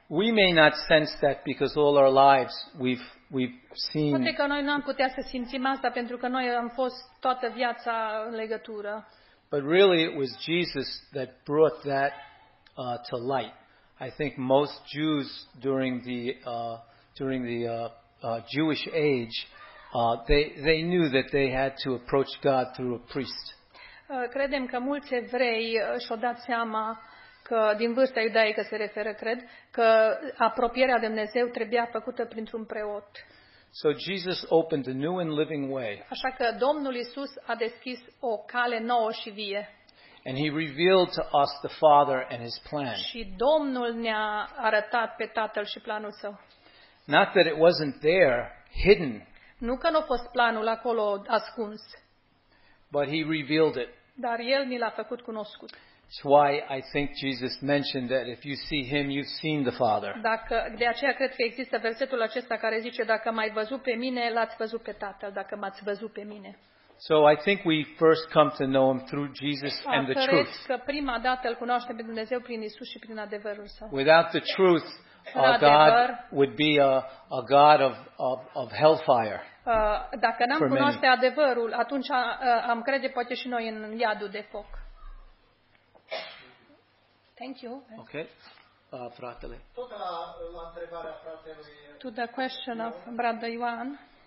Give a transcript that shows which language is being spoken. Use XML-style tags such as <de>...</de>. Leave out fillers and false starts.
<en>We may not sense that because all our lives we've seen.</en> <ro>Poate că noi n-am putea să simțim asta pentru că noi am fost toată viața în legătură.</ro> <en>But really it was Jesus that brought that to light. I think most Jews during the Jewish age they knew that they had to approach God through a priest.</en> <ro>Credem că mulți evrei și-au dat seama că din vârsta iudaică se referă, cred, că apropierea de Dumnezeu trebuia făcută printr-un preot.</ro> <en>So Jesus opened a new and living way.</en> <ro>Așa că Domnul Iisus a deschis o cale nouă și vie.</ro> <en>And he revealed to us the Father and his plan.</en> <ro>Și Domnul ne-a arătat pe Tatăl și planul său.</ro> <en>Not that it wasn't there, hidden.</en> <ro>Nu că n-a fost planul acolo ascuns.</ro> <en>But he revealed it.</en> <ro>Dar el ni l-a făcut cunoscut.</ro> <en>That's why I think Jesus mentioned that if you see him, you've seen the Father.</en> <ro>Dacă de aceea cred că există versetul acesta care zice dacă m-ai văzut pe mine, l-ați văzut pe Tatăl, dacă m-ați văzut pe mine.</ro> <en>So I think we first come to know him through Jesus and the truth.</en> <ro>Cred că prima dată îl cunoaștem pe Dumnezeu prin Isus și prin adevărul său.</ro> <en>Without the truth, God would be a God of hellfire.</en> <ro>Dacă n-am cunoaște adevărul, atunci am crede poate și noi în iadul de foc.</ro> <en>Thank you.</en> <ro>Okay. Fratele. Tot la întrebarea fratelui.</ro> <en>To the question of Brother Ioan.</en>